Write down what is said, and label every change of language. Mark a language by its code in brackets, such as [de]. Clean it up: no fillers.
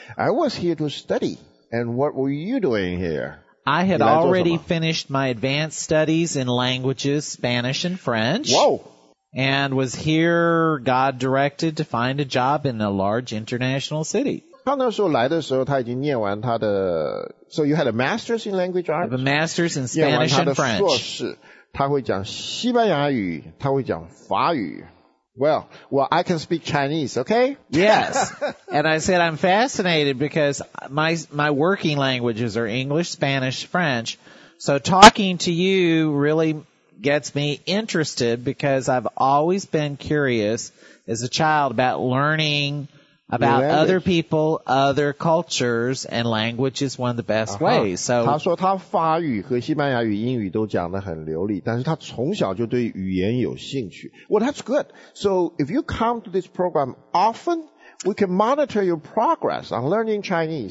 [en] I was here to study. And what were you doing here? I had already finished my advanced studies in languages, Spanish and French. Whoa! And was here, God directed, to find a job in a large international city. [zh] 他那时候来的时候，他已经念完他的。 [en] So you had a master's in language arts? I have a master's in Spanish and French. [zh] 念完他的硕士，他会讲西班牙语，他会讲法语。 [en] Well, I can speak Chinese, okay? Yes. And I said I'm fascinated because my working languages are English, Spanish, French. So talking to you really gets me interested because I've always been curious as a child about learning about other people, other cultures, and language is one of the best ways. So, [zh] 他说他法语和西班牙语、英语都讲得很流利，但是他从小就对语言有兴趣。 [en] Well, that's good. So if you come to this program often, we can monitor your progress on learning Chinese.